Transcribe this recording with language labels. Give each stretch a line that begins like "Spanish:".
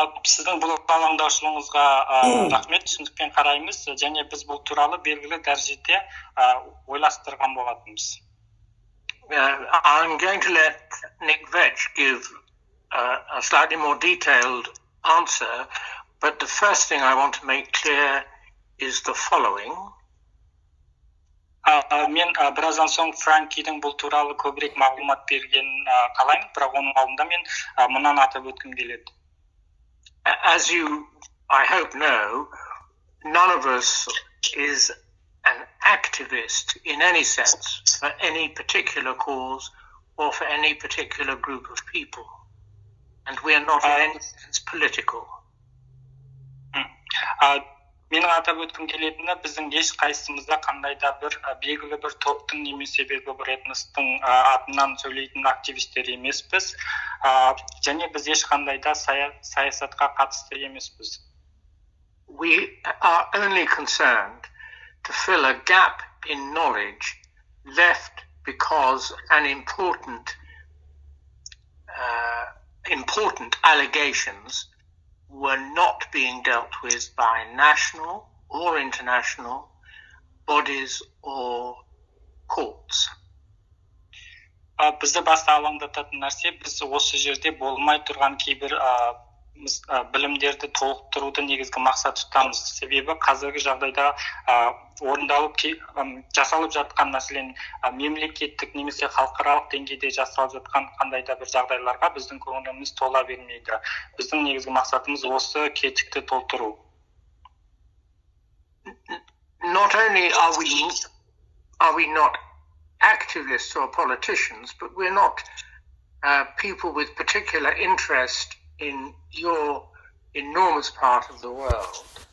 Kazakh: Сіздің бұл алаңдаушылығыңызға рахмет, түсінікпен қараймыз, және біз бұл туралы белгілі дәрежеде ойластырған болатынбыз.
English: I'm going to let Nick Vetch give a slightly more detailed answer. But the first thing I want to make clear is the following.
Kazakh: Мен біраздан соң Франкидің бұл туралы көбірек мағлұмат бергенін қалаймын, бірақ оның алдында мен мынаны атап өткім келеді.
English: As you, I hope, know, none of us is an activist in any sense for any particular cause or for any particular group of people. And we are not in any sense political.
Kazakh: Менің атап өткім келетіні, біздің еш қайсымызда қандай да бір белгілі бір топтың немесе белгілі бір этностың атынан сөйлейтін активистер емеспіз, және біз еш қандай да саясатқа қатысты емеспіз.
English: We are only concerned to fill a gap in knowledge left because an important allegations were not being dealt with by national or international bodies or courts.
Kazakh: Бізді басты алаңдататын нәрсе, біз осы жерде болмай тұрған кейбір білімдерді толықтыруды негізгі мақсат тұтамыз. Себебі қазіргі жағдайда орындалып жасалып жатқан, мәселен, мемлекеттік немесе халықаралық деңгейде жасалып жатқан қандай да бір жағдайларға біздің көңіліміз тола бермейді. Біздің негізгі мақсатымыз осы кетікті толтыру.
English: Not only are we not activists or politicians, but we're not people with particular interest in your enormous part of the world.